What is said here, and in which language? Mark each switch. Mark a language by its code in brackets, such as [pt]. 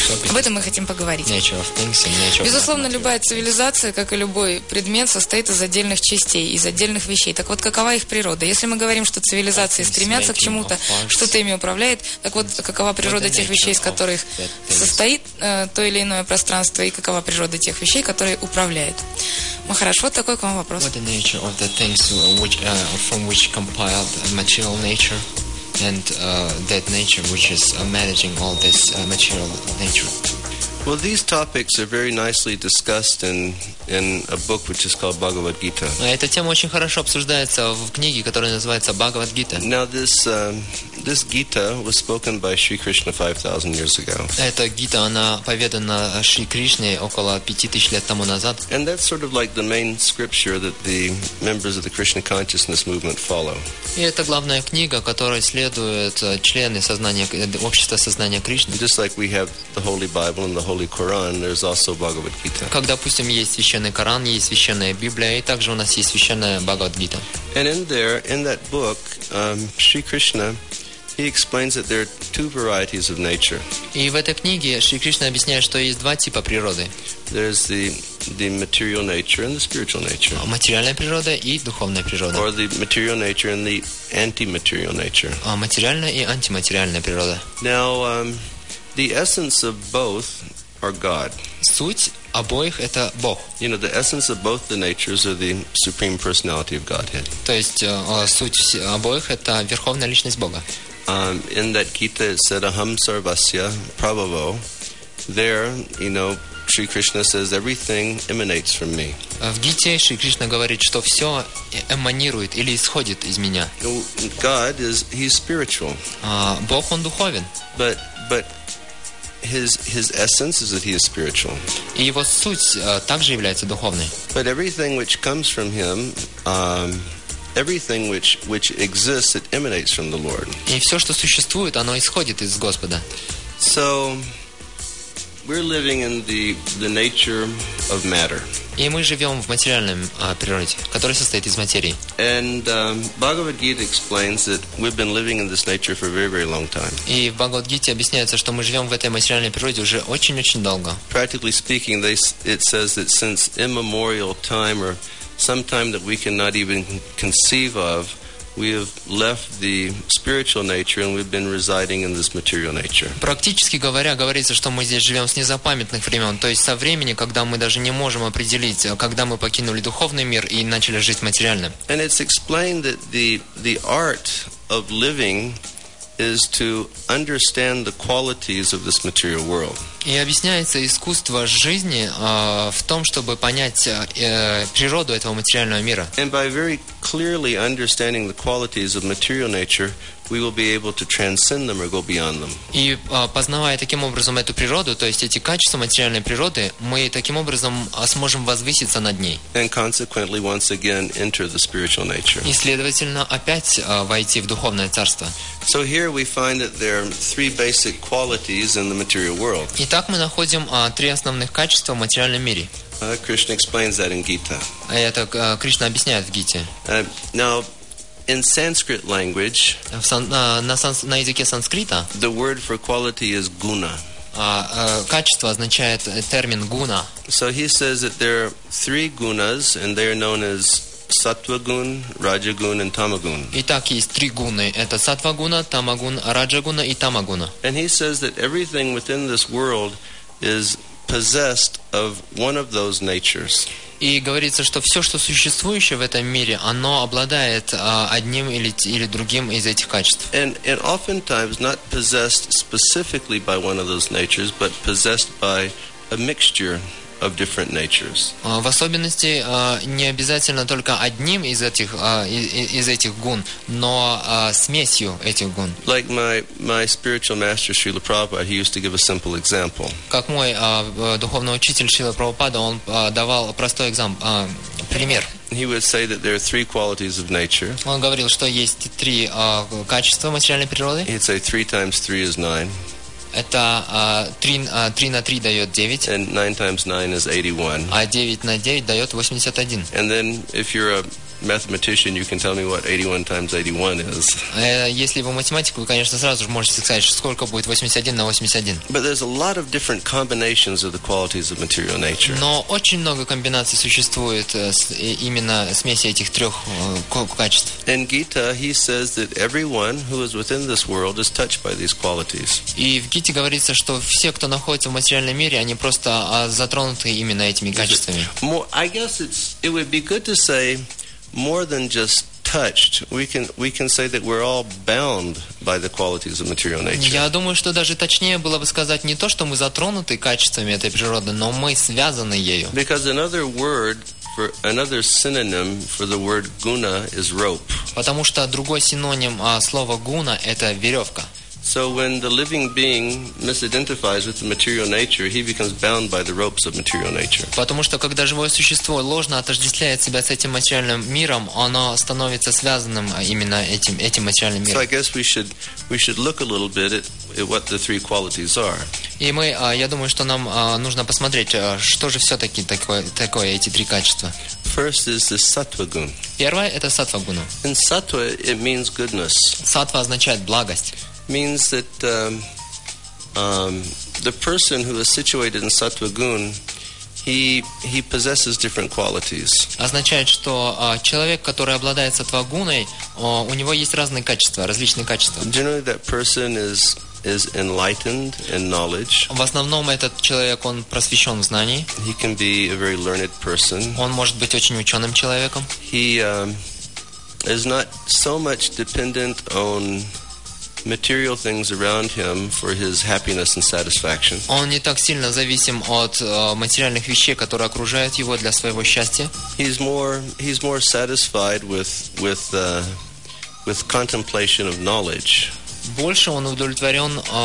[ru] Об этом мы хотим поговорить. Безусловно, любая цивилизация, как и любой предмет, состоит из отдельных частей, из отдельных вещей. Так вот, какова их природа? Если мы говорим, что цивилизации стремятся к чему-то, что-то ими управляет, так вот, какова природа тех вещей, из которых состоит то или иное пространство, и какова природа тех вещей, которые управляют? Махарадж, вот такой к вам вопрос. [en] What the nature of the things which, from which compiled material nature and that nature which is managing all this material nature? Well, these topics are very nicely discussed in a book which is called Bhagavad Gita. [ru] Эта тема очень хорошо обсуждается в книге, которая называется Bhagavad Gita. [en] Now this this Gita was spoken by Sri Krishna 5,000 years ago. [ru] Эта Гита, она поведана Шри Кришне около 5000 лет тому назад. [en] And that's sort of like the main scripture that the members of the Krishna consciousness movement follow. [ru] И это главная книга, которой следуют члены сознания общества сознания Кришны. [en] Just like we have the Holy Bible and the Holy Quran, there's also Bhagavad Gita. [ru] Как, допустим, есть священный Коран, есть священная Библия, и также у нас есть священная Бхагавад Гита. [en] And in there, in that book, Sri Krishna, he explains that there are two varieties of nature. [ru] И в этой книге Шри Кришна объясняет, что есть два типа природы. [en] There's the material nature and the spiritual nature. [ru] Материальная природа и духовная природа. [en] Or the material nature and the anti-material nature. [ru] Материальная и антиматериальная природа. [en] Now, the essence of both are God. [ru] Суть обоих — это Бог. [en] You know, the essence of both the natures are the supreme personality of Godhead. [ru] То есть суть обоих — это верховная личность Бога. [en] In that Gita it said [sa] aham sarvasya prabhavo. [en] There, you know, Sri Krishna says everything emanates from me. [ru] В Гите Шри Кришна говорит, что все эманирует или исходит из меня. [en] God is, he's spiritual. [ru] Бог, он духовен. [en] But His essence is that he is spiritual. [ru] И его суть также является духовной. [en] But everything which comes from him, everything which exists, it emanates from the Lord. [ru] И все, что существует, оно исходит из Господа. [en] So we're living in the nature of matter. [ru] И мы живем в материальном природе, который состоит из материи. [en] And Bhagavad Gita explains that we've been living in this nature for a very, very long time. [ru] И в Бхагавад Гите объясняется, что мы живем в этой материальной природе уже очень-очень долго. [en] Practically speaking, it says that since immemorial time or some time that we cannot even conceive of, we have left the spiritual nature and we've been residing in this material nature. [ru] Практически говоря, говорится, что мы здесь живем с незапамятных времен, то есть со времени, когда мы даже не можем определить, когда мы покинули духовный мир и начали жить материальным. [en] And it's explained that the art of living is to understand the qualities of this material world. [ru] И объясняется искусство жизни в том, чтобы понять природу этого материального мира. [en] And by very clearly understanding the qualities of material nature, we will be able to transcend them or go beyond them. [ru] И познавая таким образом эту природу, то есть эти качества материальной природы, мы таким образом сможем возвыситься над ней. [en] And consequently, once again, enter the spiritual nature. [ru] И следовательно, опять войти в духовное царство. [en] So here we find that there are three basic qualities in the material world. [ru] Итак, мы находим три основных качества в материальном мире. [en] Krishna explains that in Gita. [ru] Это Кришна объясняет в Гите. [en] Now, in Sanskrit language, [ru] на языке санскрита, [en] the word for quality is guna. [ru] Качество означает термин guna. [en] So he says that there are three gunas, and they are known as [ru] сатвагун, раджагун и тамагун. Итак, есть три гуны. Это сатвагуна, тамагун, раджагуна и тамагуна. [en] And he says that everything within this world is possessed of one of those natures. [ru] И говорится, что все, что существующее в этом мире, оно обладает одним или другим из этих качеств. [en] And oftentimes not possessed specifically by one of those natures, but possessed by a mixture of different natures. [ru] В особенности не обязательно только одним из этих из этих гун, но смесью этих гун. [en] Like my spiritual master Srila Prabhupada, he used to give a simple example. [ru] Как мой духовный учитель Шрила Прабхупада, он давал простой пример. [en] He would say that there are three qualities of nature. [ru] Он говорил, что есть три качества материальной природы. [en] He'd say 3 times 3 is 9. [ru] Это 3 на 3 дает 9. [en] And 9 times 9 is 81. [ru] А 9 на 9 дает 81. [en] And then if you're a mathematician, you can tell me what 81 times 81 is. [ru] Если вы математик, вы, конечно, сразу же можете сказать, сколько будет 81 на 81. [en] But there's a lot of different combinations of the qualities of material nature. [ru] Но очень много комбинаций существует именно смеси этих трех качеств. [en] In Gita, he says that everyone who is within this world is touched by these qualities. [ru] И в Гите говорится, что все, кто находится в материальном мире, они просто затронуты именно этими качествами. [en] I guess it would be good to say more than just touched, we can say that we're all bound by the qualities of material nature. [ru] Я думаю, что даже точнее было бы сказать не то, что мы затронуты качествами этой природы, но мы связаны ею. [en] Because another word for another synonym for the word guna is rope. [ru] Потому что другой синоним слова guna это веревка. [en] So when the living being misidentifies with the material nature, he becomes bound by the ropes of material nature. [ru] Потому что когда живое существо ложно отождествляет себя с этим материальным миром, оно становится связанным именно этим материальным миром. [en] So I guess we should look a little bit at what the three qualities are. [ru] И мы, я думаю, что нам нужно посмотреть, что же все-таки такое эти три качества. [en] First is the sattva-guna. [ru] Первое это сатва-гуна. [en] In sattva it means goodness. [ru] Сатва означает благость. [en] Means that the person who is situated in sattva-gun, he possesses different qualities. [ru] Означает, что человек, который обладает сатва-гуной, у него есть разные качества, различные качества. [en] Generally, that person is enlightened in knowledge. [ru] В основном этот человек он просвещен в знании. [en] He can be a very learned person. [ru] Он может быть очень ученым человеком. [en] He is not so much dependent on material things around him for his happiness and satisfaction. [ru] Он не так сильно зависим от материальных вещей, которые окружают его для своего счастья. [en] He's more satisfied with contemplation of knowledge. [ru] Больше он удовлетворен